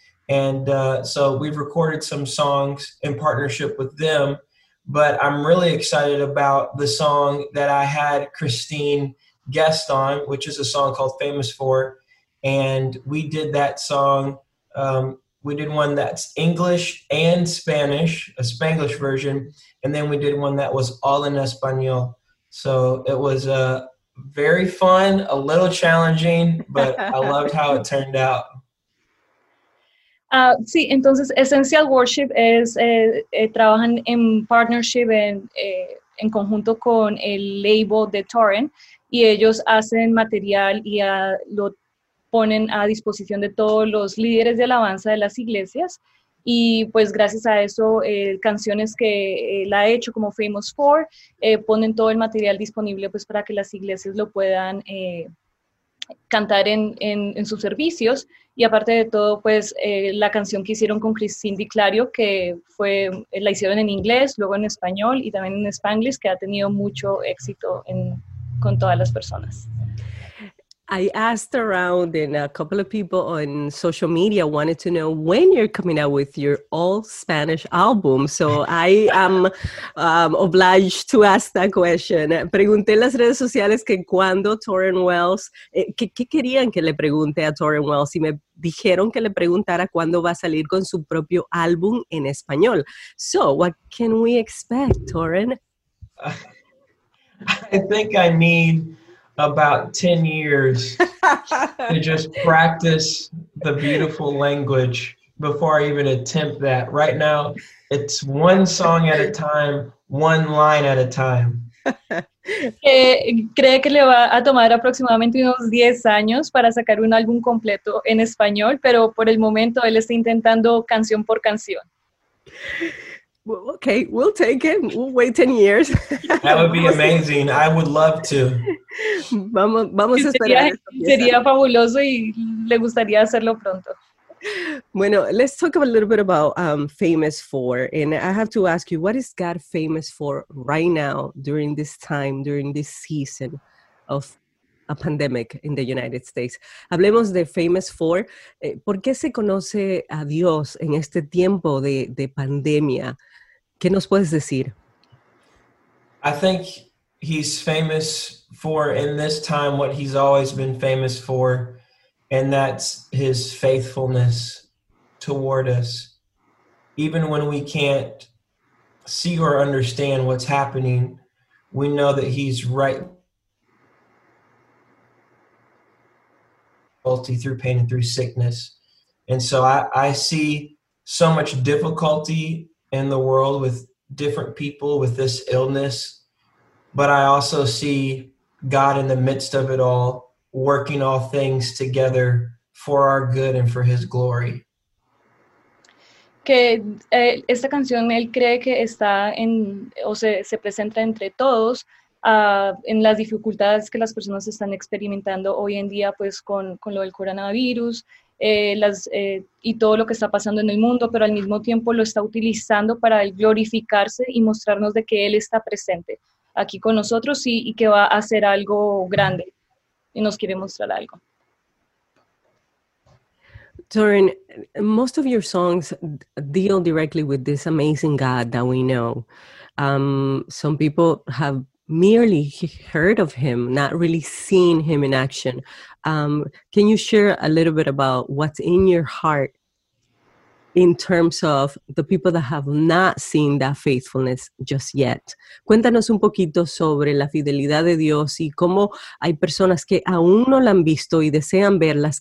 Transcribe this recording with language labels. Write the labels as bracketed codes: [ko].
[en] And so we've recorded some songs in partnership with them, but I'm really excited about the song that I had Christine guest on, which is a song called Famous For, and we did that song. We did one that's English and Spanish, a Spanglish version, and then we did one that was all in Espanol. So it was very fun, a little challenging, but I loved how it turned out. [es] Sí, entonces Essential Worship es trabajan en partnership en conjunto con el label de Torrin. Y ellos hacen material y lo ponen a disposición de todos los líderes de alabanza de las iglesias. Y pues gracias a eso, canciones que él ha hecho como Famous For, ponen todo el material disponible pues para que las iglesias lo puedan cantar en sus servicios. Y aparte de todo, pues la canción que hicieron con Christine de Clario, que fue, la hicieron en inglés, luego en español y también en Spanglish, que ha tenido mucho éxito en con todas las personas. [en] I asked around and a couple of people on social media wanted to know when you're coming out with your all Spanish album. So I am obliged to ask that question. [es] Pregunté en las redes sociales que cuando Torrin Wells, ¿qué querían que le pregunte a Torrin Wells? Y me dijeron que le preguntara cuándo va a salir con su propio álbum en español. [en] So what can we expect, Torrin? I think I need about 10 years to just practice the beautiful language before I even attempt that. Right now, it's one song at a time, one line at a time. [es] Cree que le va a tomar aproximadamente unos 10 años para sacar un álbum completo en español, pero por el momento él está intentando canción por canción. [en] Well, okay, we'll take it. We'll wait 10 years. That would be amazing. I would love to. [es] Vamos a esperar. Sería fabuloso y le gustaría hacerlo pronto. Bueno, [en] let's talk a little bit about Famous For. And I have to ask you, what is God famous for right now during this time, during this season of a pandemic in the United States? [es] Hablemos de Famous For. ¿Por qué se conoce a Dios en este tiempo de pandemia? ¿Qué nos puedes decir? [en] I think he's famous for, in this time, what he's always been famous for, and that's his faithfulness toward us. Even when we can't see or understand what's happening, we know that he's right through pain and through sickness. And so I see so much difficulty in the world with different people with this illness, but I also see God in the midst of it all, working all things together for our good and for his glory. [es] Que esta canción él cree que está en, o se presenta entre todos, en las dificultades que las personas están experimentando hoy en día, pues con lo del coronavirus, y todo lo que está pasando en el mundo, pero al mismo tiempo lo está utilizando para glorificarse y mostrarnos de que él está presente. aquí con nosotros y que va a hacer algo grande y nos quiere mostrar algo. [en] Torin, most of your songs deal directly with this amazing God that we know. Some people have merely heard of him, not really seen him in action. Can you share a little bit about what's in your heart in terms of the people that have not seen that faithfulness just yet? [es] Cuéntanos un poquito sobre la fidelidad de Dios y cómo hay personas que aún no la han visto y desean verlas.